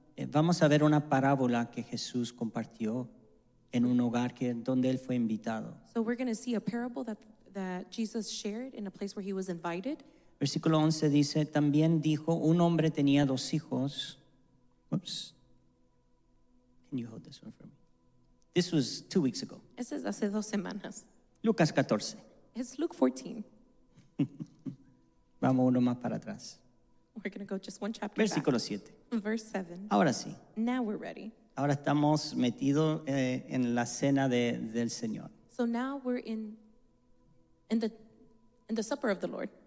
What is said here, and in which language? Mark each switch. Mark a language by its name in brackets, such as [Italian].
[Spanish] Vamos a ver una parábola que Jesús compartió en un hogar que, donde él fue invitado. [English] So we're going to see a parable that Jesus shared in a place where he was invited. [Spanish] Versículo 11 dice, también dijo, un hombre tenía dos hijos. Oops. [English] Can you hold this one for me? This was 2 weeks ago. [Spanish] Ese es hace dos semanas. Lucas 14. [English] It's Luke 14. [Spanish] Vamos uno más para atrás. [English] We're going to go just one chapter [Spanish] Versículo [English] back. 7. Verse 7. [Spanish] Ahora sí. [English] Now we're ready. [Spanish] Ahora estamos metidos en la cena del Señor. [English] So now we're in the supper of the Lord.